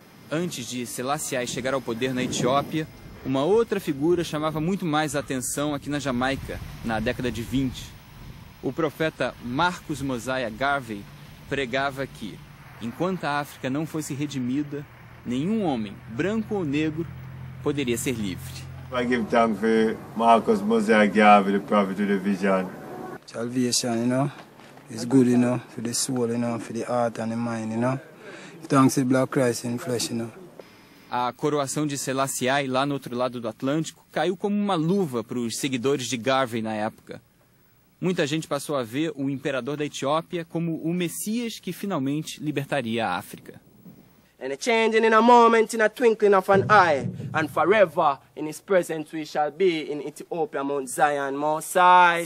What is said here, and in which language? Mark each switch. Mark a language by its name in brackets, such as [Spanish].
[Portuguese] Antes de Selassie chegar ao poder na Etiópia, uma outra figura chamava muito mais a atenção aqui na Jamaica, na década de 20. O profeta Marcus Mosiah Garvey pregava que, enquanto a África não fosse redimida, nenhum homem, branco ou negro, poderia ser livre. [English] I give thanks for Marcus Mosiah Garvey, the prophet of the vision. Salvation, you know, is good, you know, for the soul, you know, for the heart and the mind, you know. Thanks to the Black Christ in flesh, you know. [Portuguese] A coroação de Selassie lá no outro lado do Atlântico caiu como uma luva para os seguidores de Garvey na época. Muita gente passou a ver o imperador da Etiópia como o Messias que finalmente libertaria a África. [English] And changing in a moment, in a twinkling of an eye, and forever in his presence we shall be in Ethiopia, Mount Zion, Most High.